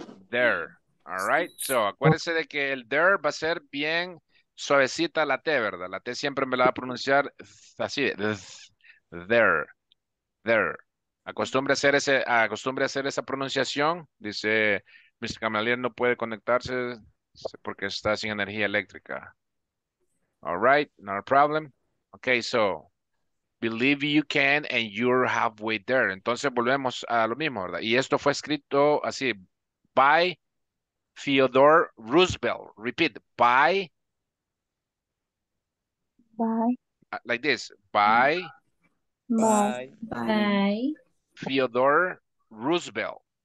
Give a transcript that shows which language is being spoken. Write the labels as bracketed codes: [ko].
[en] there. All right. So, [es] acuérdense de que el there va a ser bien suavecita la T, ¿verdad? La T siempre me la va a pronunciar así. [en] There. There. [es] Acostumbre a hacer esa pronunciación. Dice, Mr. Camalier no puede conectarse porque está sin energía eléctrica. [en] All right, not a problem. Okay, so believe you can and you're halfway there. [es] Entonces volvemos a lo mismo, ¿verdad? Y esto fue escrito así, [en] by Theodore Roosevelt. Repeat, by. By. Like this, by. By. Theodore Roosevelt.